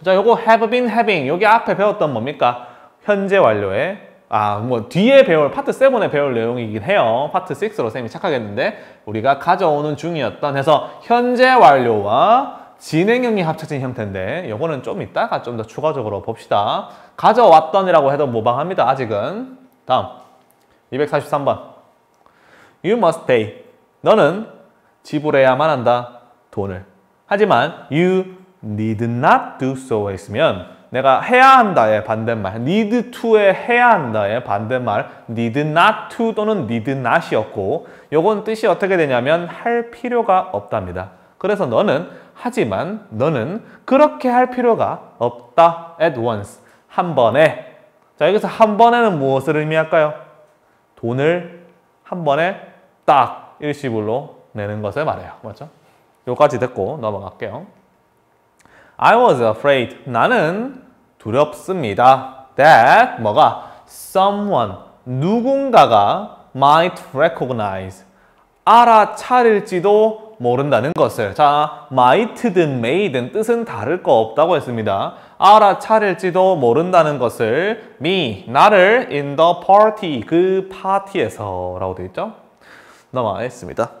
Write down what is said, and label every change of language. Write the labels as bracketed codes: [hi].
[ko] 자, 요거 [en] have been having, [ko] 여기 앞에 배웠던 뭡니까? 현재 완료에, 아, 뭐 뒤에 배울, 파트 7에 배울 내용이긴 해요. 파트 6로 쌤이 착하겠는데 우리가 가져오는 중이었던 해서 현재 완료와 진행형이 합쳐진 형태인데 요거는 좀 이따가 좀 더 추가적으로 봅시다. 가져왔던이라고 해도 무방합니다. 아직은. 다음 243번 [en] You must pay. [ko] 너는 지불해야만 한다. 돈을. 하지만 [en] You need not do so [ko] 했으면 내가 해야 한다의 반대말 need to의 해야 한다의 반대말 need not to 또는 need not이었고 요건 뜻이 어떻게 되냐면 할 필요가 없답니다. 그래서 너는 하지만 너는 그렇게 할 필요가 없다. [en] At once. [ko] 한 번에. 자, 여기서 한 번에는 무엇을 의미할까요? 돈을 한 번에 딱 일시불로 내는 것을 말해요. 맞죠? 여기까지 됐고 넘어갈게요. [en] I was afraid. [ko] 나는 두렵습니다. That 뭐가? [en] Someone, [ko] 누군가가 [en] might recognize. [ko] 알아차릴지도 모른다는 것을. 자, might든 may든 뜻은 다를 거 없다고 했습니다. 알아차릴지도 모른다는 것을 me, 나를 [en] in the party, [ko] 그 파티에서 라고 되어 있죠? 넘어가겠습니다.